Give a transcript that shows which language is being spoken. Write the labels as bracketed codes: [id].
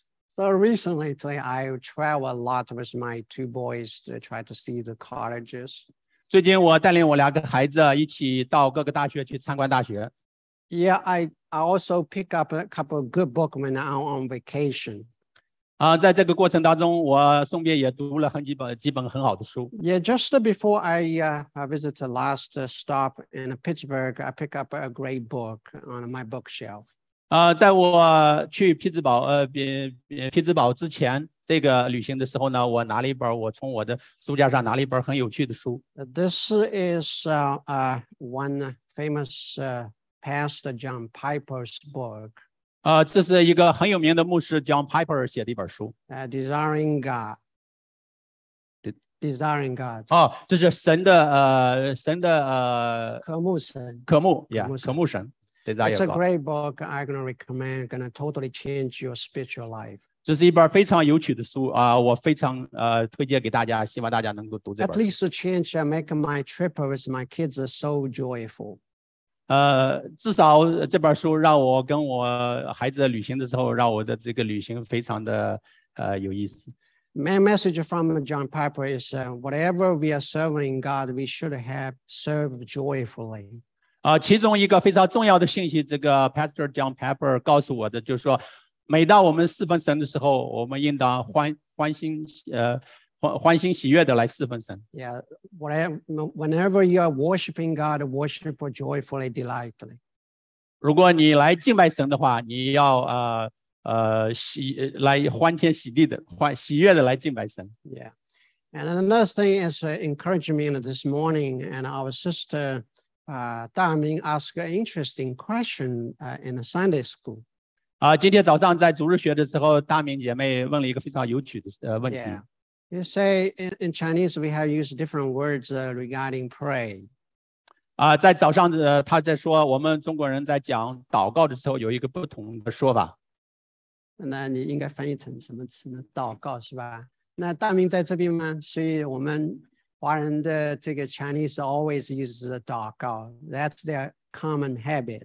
[en] So recently, today I travel a lot with my two boys to try to see the colleges. [zh] 最近我带领我两个孩子一起到各个大学去参观大学。 [en] Yeah, I also pick up a couple of good books when I'm on vacation. [zh] 在这个过程当中，我顺便也读了很几本很好的书。 [en] Yeah, just before I visit the last stop in Pittsburgh, I pick up a great book on my bookshelf. [zh] 在我去匹兹堡匹兹堡之前这个旅行的时候呢，我拿了一本，我从我的书架上拿了一本很有趣的书。 [en] This is one famous pastor John Piper's book. [zh] 这是一个很有名的牧师 John Piper 写的一本书。 [en] Desiring God. Desiring God. [zh] 哦，这是神的神的渴慕神。渴慕 ，Yeah， 渴慕神。 [en] It's a great book. I'm going to recommend. Going to totally change your spiritual life. [zh] 这是一本非常有趣的书啊！我非常推荐给大家，希望大家能够读这本。 [en] At least change and make my trip with my kids so joyful. [zh] 至少这本书让我跟我孩子旅行的时候，让我的这个旅行非常的有意思。 [en] Main message from John Piper is whatever we are serving God, we should have served joyfully. [zh] 其中一个非常重要的信息，这个 Pastor John Piper 告诉我的，就是说，每当我们侍奉神的时候，我们应当欢欣喜悦的来侍奉神。 [en] Yeah, whenever you are worshiping God, worship joyfully, delightfully. [zh] 如果你来敬拜神的话，你要来欢天喜地的喜悦的来敬拜神。 [en] Yeah, and another thing is encouraging me this morning, and our sister. 大明 ask an interesting question in a Sunday school. [zh] 今天早上在主日学的时候，大明姐妹问了一个非常有趣的问题。 [en] Yeah. You say in Chinese we have used different words regarding pray. [zh] 在早上他在说我们中国人在讲祷告的时候有一个不同的说法。那你应该翻译成什么词呢？祷告是吧？那大明在这边吗？所以我们。华人的这个 [en] Chinese always uses the 祷告 That's their common habit.